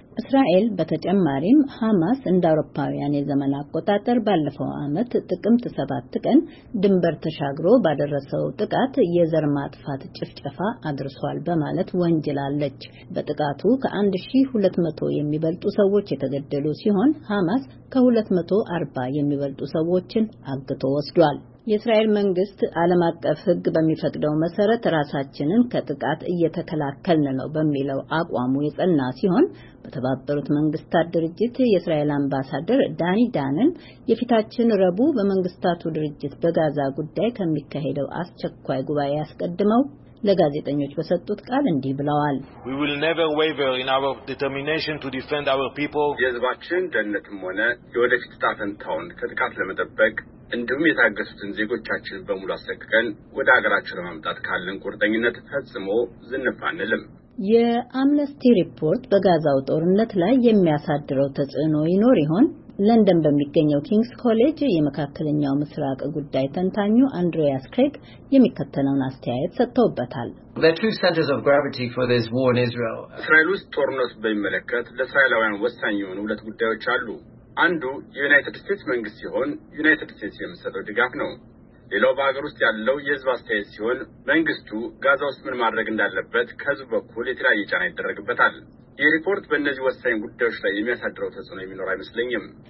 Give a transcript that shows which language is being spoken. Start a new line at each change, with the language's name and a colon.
Amharic: እስራኤል በተጨማሪም ሐማስ እንደ አውሮፓውያን የዘመን አቆጣጠር ባለፈው ዓመት ጥቅምት 7 ቀን ድንበር ተሻግሮ ባደረሰው ጥቃት የዘር ማጥፋት ጭፍጨፋ አድርሷል በማለት ወንጅላለች። በጥቃቱ ከ1200 የሚበልጡ ሰዎች የተገደሉ ሲሆን ሐማስ ከ240 የሚበልጡ ሰዎችን አግቶ ወስዷል። የእስራኤል መንግስት ዓለም አቀፍ ህግ በሚፈቅደው መሰረት ራሳችንን ከጥቃት እየተከላከልን ነው በሚለው አቋሙ የጸና ሲሆን በተባበሩት መንግስታት ድርጅት የእስራኤል አምባሳደር ዳኒ ዳንን የፊታችን ረቡ በመንግስታቱ ድርጅት በጋዛ ጉዳይ ከሚካሄደው አስቸኳይ ጉባኤ ያስቀድመው ለጋዜጠኞች በሰጡት ቃል እንዲህ ብለዋል።
English: We will never waver in our determination to defend our people.
Amharic: የህዝባችን ደህንነትም ሆነ የወደፊት ዕጣ ፈንታውን ከጥቃት ለመጠበቅ እንዲሁም የታገሱትን ዜጎቻችን በሙሉ አሰቅቀን ወደ አገራችን ለማምጣት ካለን ቁርጠኝነት ፈጽሞ ዝንፍ አንልም። የአምነስቲ ሪፖርት በጋዛው ጦርነት ላይ የሚያሳድረው ተጽዕኖ ይኖር ይሆን? ለንደን በሚገኘው ኪንግስ ኮሌጅ የመካከለኛው ምስራቅ ጉዳይ ተንታኙ አንድሪያስ ክሬግ የሚከተለውን አስተያየት ሰጥተውበታል።
English: The two centers of gravity for this war in Israel.
Amharic: እስራኤል ውስጥ ጦርነት በሚመለከት ለእስራኤላውያን ወሳኝ የሆኑ ሁለት ጉዳዮች አሉ። አንዱ ዩናይትድ ስቴትስ መንግስት ሲሆን ዩናይትድ ስቴትስ የምትሰጠው ድጋፍ ነው። ሌላው በአገር ውስጥ ያለው የህዝብ አስተያየት ሲሆን መንግስቱ ጋዛ ውስጥ ምን ማድረግ እንዳለበት ከህዝብ በኩል የተለያየ ጫና ይደረግበታል። የሪፖርት በእነዚህ ወሳኝ ጉዳዮች ላይ የሚያሳድረው ተጽዕኖ የሚኖር አይመስለኝም።